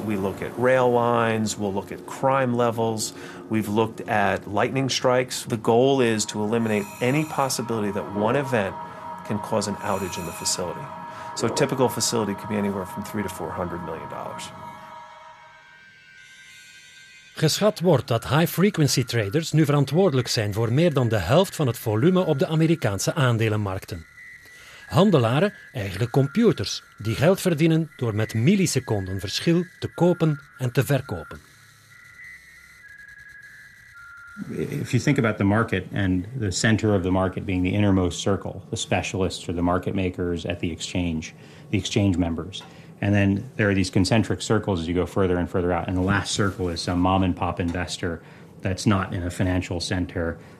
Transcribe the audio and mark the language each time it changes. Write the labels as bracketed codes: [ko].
[en] We look at rail lines. We'll look at crime levels. We've looked at lightning strikes. The goal is to eliminate any possibility that one event can cause an outage in the facility. So a typical facility could be anywhere from $300 to $400 million. [nl] Geschat wordt dat high-frequency traders nu verantwoordelijk zijn voor meer dan de helft van het volume op de Amerikaanse aandelenmarkten. Handelaren, eigenlijk computers, die geld verdienen door met milliseconden verschil te kopen en te verkopen. [en] If you think about the market and the center of the market being the innermost circle, the specialists or the market makers at the exchange members, and then there are these concentric circles as you go further and further out, and the last circle is some mom and pop investor that's not in a financial center.